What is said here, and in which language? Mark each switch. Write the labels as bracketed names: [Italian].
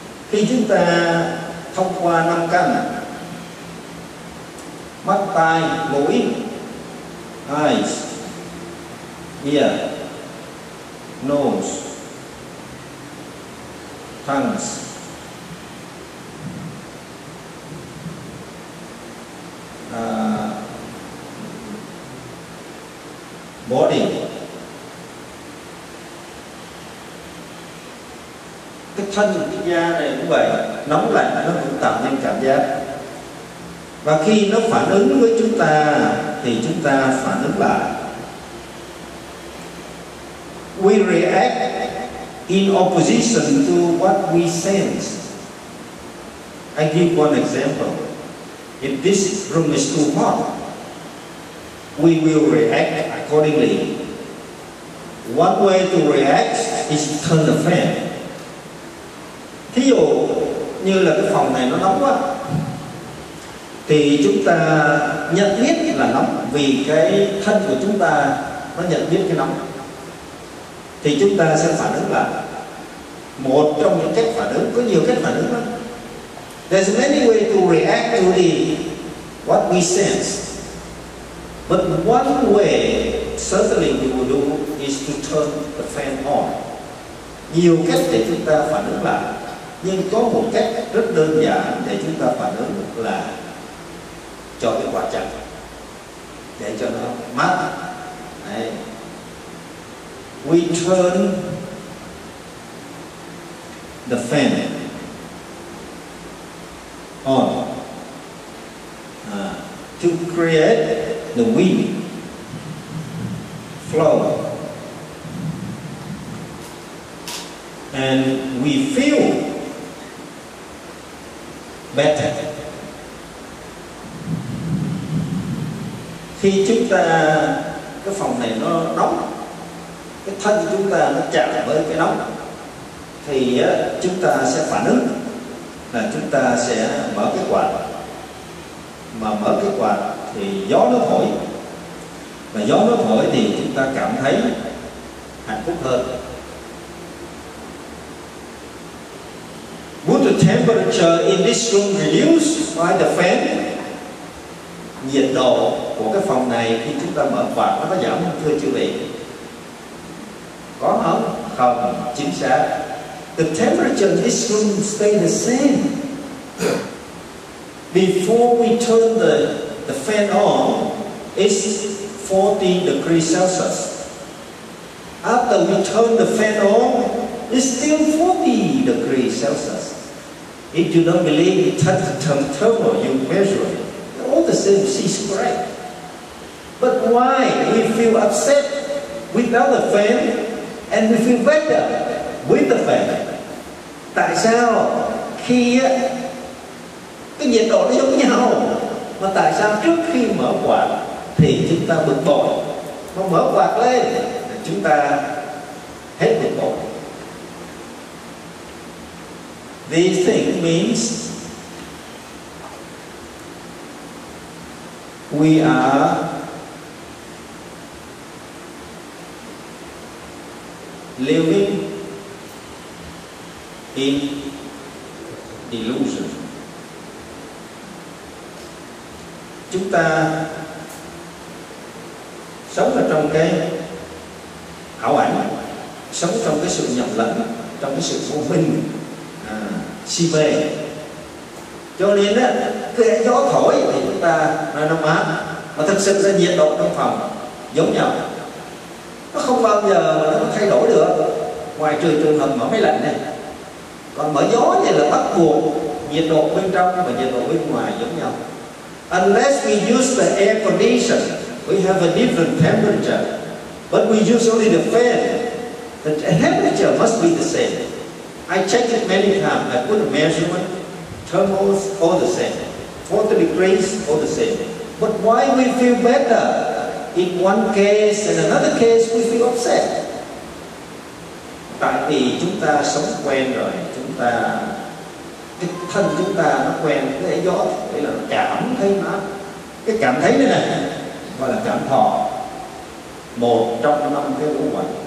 [Vietnamese] Khi chúng ta thông qua năm căn, mắt, tai, mũi, [English] eyes, ear, nose, tongues, body. [Vietnamese] Cái thân, cái da này cũng vậy, nóng lạnh nó cũng tạo nên cảm giác. Và khi nó phản ứng với chúng ta thì chúng ta phản ứng lại. [English] We react in opposition to what we sense. I give one example. If this room is too hot, we will react accordingly. One way to react is to turn the fan. [Vietnamese] Thí dụ như là cái phòng này nó nóng quá, thì chúng ta nhận biết là nóng vì cái thân của chúng ta nó nhận biết cái nóng, thì chúng ta sẽ phản ứng là một trong những cách phản ứng, có nhiều cách phản ứng lắm. [English] There's many ways to react to the what we sense, but one way certainly we will do is to turn the fan on. [Vietnamese] Nhiều cách để chúng ta phản ứng lại, nhưng có một cách rất đơn giản để chúng ta phản ứng là cho cái quả chặt, để cho nó mát. Đấy. [English] We turn the fan on to create the wind flow, and we feel better. [Vietnamese] Khi chúng ta, cái phòng này nó nóng, cái thân của chúng ta nó chạm với cái nóng, thì chúng ta sẽ phản ứng là chúng ta sẽ mở cái quạt. Mà mở cái quạt thì gió nó thổi, và gió nó thổi thì chúng ta cảm thấy hạnh phúc hơn. [English] Would the temperature in this room reduce by the fan? [Vietnamese] Nhiệt độ của cái phòng này khi chúng ta mở quạt nó có giảm không, thưa chư vị? Có không? Không, chính xác. [English] The temperature in this room stays the same. Before we turn the fan on, it's 40 degrees Celsius. After we turn the fan on, it's still 40 degrees Celsius. If you don't believe it, touch the thermometer, you measure it. All the same, it's great. But why we feel upset without the fan, and we feel better with the fan? [Vietnamese] Tại sao khi cái nhiệt độ nó giống nhau, mà tại sao trước khi mở quạt thì chúng ta bực bội, mà mở quạt lên thì chúng ta hết bực bội? [English] These things means we are living in illusion. [Vietnamese] Chúng ta sống ở trong cái ảo ảnh, sống trong cái sự nhầm lẫn, trong cái sự vô minh, si mê. Cho nên cái gió thổi thì chúng ta nói nó mát, mà thực sự ra nhiệt độ trong phòng giống nhau, nó không bao giờ mà nó thay đổi được, ngoài trừ trường hợp mở máy lạnh này. Còn mở gió thì là bắt buộc nhiệt độ bên trong và nhiệt độ bên ngoài giống nhau. [English] Unless we use the air conditioner, We have a different temperature, but we use only the fan. The temperature must be the same. I checked it many times. I put a measurement, thermals all the same, 40 degrees all the same. But why we feel better in one case and another case we feel upset? [Vietnamese] Tại vì chúng ta sống quen rồi, chúng ta cái thân chúng ta nó quen với cái gió, đấy là cảm thấy nó, cái cảm thấy này này gọi là cảm thọ, một trong năm cái ngũ quan.